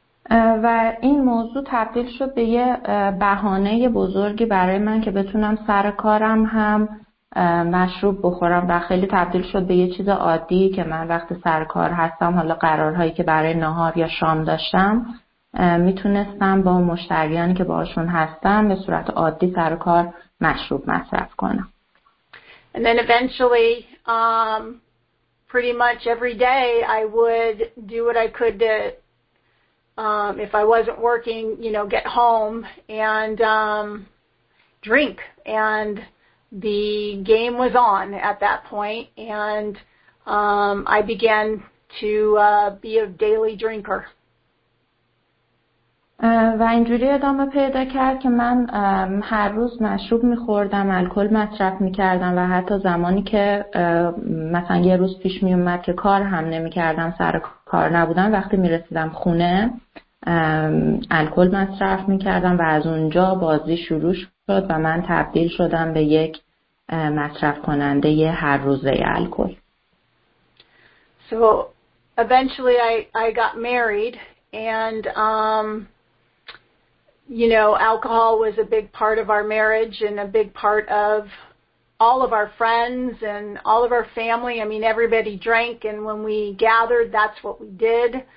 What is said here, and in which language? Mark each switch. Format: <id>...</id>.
<fa>و این موضوع تبدیل شد به یه بهانه بزرگی برای من که بتونم سر کارم هم مشروب بخورم و خیلی تبدیل شد به یه چیز عادی که من وقتی سر کار هستم، حالا قرارهایی که برای نهار یا شام داشتم میتونستم با مشتریانی که باشون هستم به صورت عادی سر کار مشروب مصرف کنم.</fa> <en>And then eventually, pretty much every day I would do what I could to if I wasn't working, you know, get home and drink. And the game was on at that point, and I began to be a daily drinker.</en> <fa>و اینجوری ادامه پیدا کرد که من هر روز مشروب میخوردم، الکل مصرف میکردم و حتی زمانی که مثلا یه روز پیش میومد که کار هم نمیکردم، سر کار نبودم، وقتی میرسیدم خونه الکل مصرف میکردم و از اونجا بازی شروع شد و من تبدیل شدم به یک مصرف کننده یه هر روزه الکل.</fa> <en>So eventually I got married and you know, alcohol was a big part of our marriage and a big part of all of our friends and all of our family. I mean, everybody drank, and when we gathered, that's what we did.</en>